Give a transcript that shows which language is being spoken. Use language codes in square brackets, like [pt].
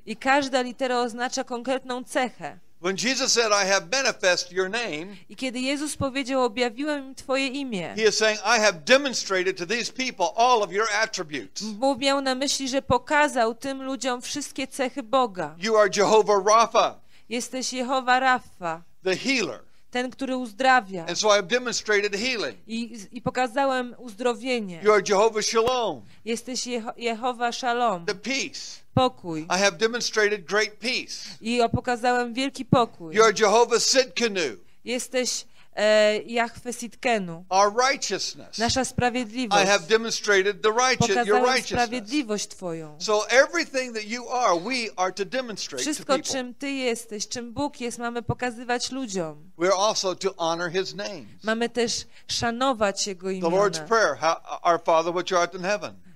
[pl] I każda litera oznacza konkretną cechę. [en] When Jesus said, I have manifest your name, [pl] i kiedy Jezus powiedział, objawiłem im Twoje imię, [en] he is saying, I have demonstrated to these people all of your attributes. [pl] Miał na myśli, że pokazał tym ludziom wszystkie cechy Boga. [en] You are Jehovah Rapha. [pl] Jesteś Jehova Rapha. [en] The healer. [pl] Ten, który uzdrawia. [en] And so I have demonstrated healing. [pl] I pokazałem uzdrowienie. [en] You are Jehovah Shalom. [pl] Jesteś Jehova Shalom. [en] The peace. [pl] Pokój. [en] I have demonstrated great peace. [pl] I pokazałem wielki pokój. [en] You are Jehovah Sidkenu. [pl] Jesteś Jahwe Sidkenu. [en] Our righteousness. [pl] Nasza sprawiedliwość. [en] I have demonstrated the righteousness. [pl] Pokazałem sprawiedliwość Twoją. [en] So everything that you are, we are to demonstrate. [pl] Wszystko, [en] to people. [pl] Czym Ty jesteś, czym Bóg jest, mamy pokazywać ludziom. [en] We are also to honor His name. [pl] Mamy też szanować Jego imiona. [en] The Lord's Prayer, our Father which art in heaven.